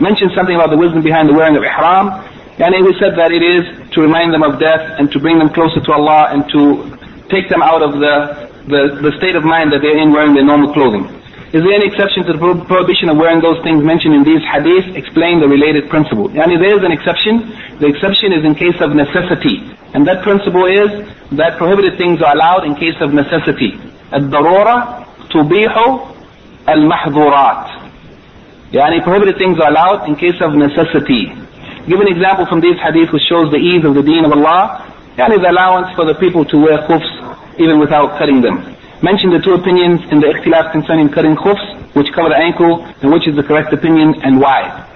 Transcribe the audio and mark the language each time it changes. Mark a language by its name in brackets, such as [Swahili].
[English] Mention something about the wisdom behind the wearing of ihram. And we said that it is to remind them of death and to bring them closer to Allah and to take them out of the state of mind that they're in wearing their normal clothing. Is there any exception to the prohibition of wearing those things mentioned in these hadiths? Explain the related principle. And there is an exception. The exception is in case of necessity. And that principle is that prohibited things are allowed in case of necessity. [Arabic] الضرورة تبيح المحظورات. [English] Prohibited things are allowed in case of necessity. Give an example from these hadith which shows the ease of the deen of Allah and his allowance for the people to wear khufs even without cutting them. Mention the two opinions in the ikhtilaf concerning cutting khufs, which cover the ankle, and which is the correct opinion and why.